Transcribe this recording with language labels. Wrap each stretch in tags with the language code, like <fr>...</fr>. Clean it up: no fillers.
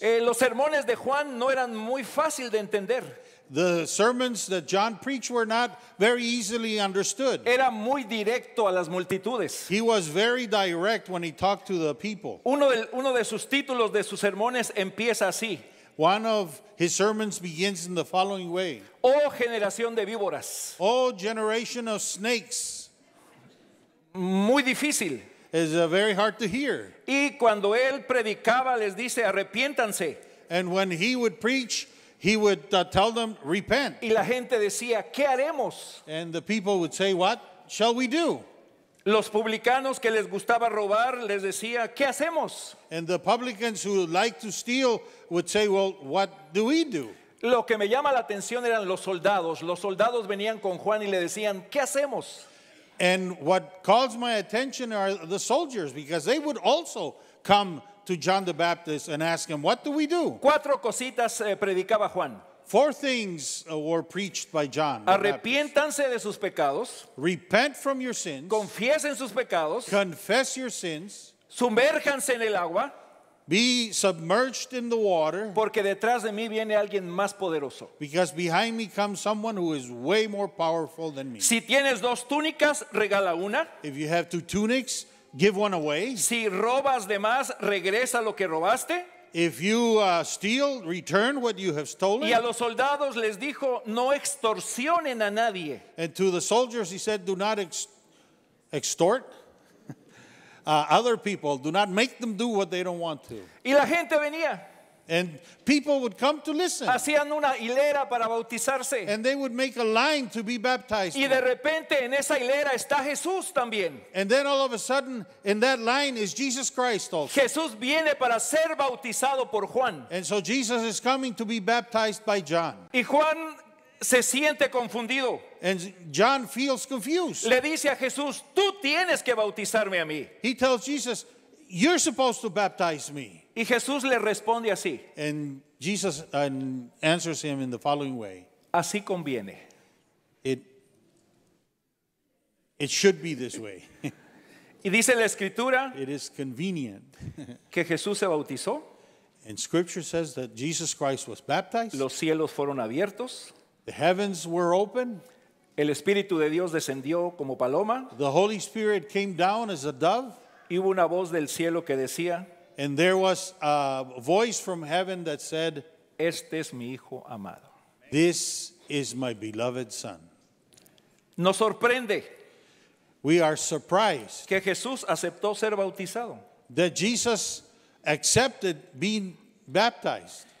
<es>Los sermones de Juan no eran muy fácil de entender.</es> <en>The sermons that John preached were not very easily understood.</en> <es>Era muy directo a las multitudes.</es> <en>He was very direct when he talked to the people.</en> <es>Uno de sus títulos de sus sermones empieza así.</es> <en>One of his sermons begins in the following way.</en> <es>Oh, generación de víboras.</es> <en>Oh, generation of snakes.</en> <es>Muy difícil.</es> <en>It's very hard to hear.</en> <es>Y cuando él predicaba, les dice, arrepiéntanse.</es> <en>And when he would preach, he would tell them, repent.</en> <es>Y la gente decía, ¿qué haremos?</es> <en>And the people would say, what shall we do?</en> <es>Los publicanos que les gustaba robar, les decía, ¿qué hacemos?</es> <en>And the publicans who like to steal would say, well, what do we do?</en> <es>Lo que me llama la atención eran los soldados. Los soldados venían con Juan y le decían, ¿qué hacemos?</es> <en>And what calls my attention are the soldiers, because they would also come to John the Baptist and ask him, what do we do?</en> <es>Cuatro cositas predicaba Juan.</es> <en>Four things were preached by John.</en> <es>Arrepiéntanse de sus pecados.</es> <en>Repent from your sins.</en> <es>Confiesen sus pecados.</es> <en>Confess your sins.</en> <es>Sumérjanse en el agua.</es> <en>Be submerged in the water.</en> <es>Porque detrás de mí viene alguien más poderoso.</es> <en>Because behind me comes someone who is way more powerful than me.</en> <es>Si tienes dos túnicas, regala una.</es> <en>If you have two tunics, give one away.</en> <es>Si robas de más, regresa lo que robaste.</es> <en>If you steal, return what you have stolen.</en> <es>Y a los soldados les dijo, no extorsionen a nadie.</es> <en>And to the soldiers he said, do not extort other people. Do not make them do what they don't want to.</en> <es>Y la gente venía.</es> <en>And people would come to listen.</en> <es>Hacían una hilera para bautizarse.</es> <en>And they would make a line to be baptized.</en> <es>Y de repente en esa hilera está Jesús también.</es> <en>And then all of a sudden in that line is Jesus Christ also.</en> <es>Jesús viene para ser bautizado por Juan.</es> <en>And so Jesus is coming to be baptized by John.</en> <es>Y Juan se siente confundido.</es> <en>And John feels confused.</en> <es>Le dice a Jesús, tú tienes que bautizarme a mí.</es> <en>He tells Jesus, you're supposed to baptize me.</en> <es>Y Jesús le responde así.</es> <en>And Jesus answers him in the following way.</en> <es>Así conviene.</es> <en>It should be this way.</en> <es>Y dice la escritura.</es> <en>It is convenient.</en> <es>Que Jesús se bautizó.</es> <en>And scripture says that Jesus Christ was baptized.</en> <es>Los cielos fueron abiertos.</es> <en>The heavens were open.</en> <es>El Espíritu de Dios descendió como paloma.</es> <en>The Holy Spirit came down as a dove.</en> <es>Y hubo una voz del cielo que decía.</es> <en>And there was a voice from heaven that said,</en> <es>este es mi hijo amado.</es> <en>This is my beloved son.</en> <es>Nos sorprende.</es> <en>We are surprised.</en> <es>Que Jesús aceptó ser bautizado.</es> <en>That Jesus accepted being baptized.</en>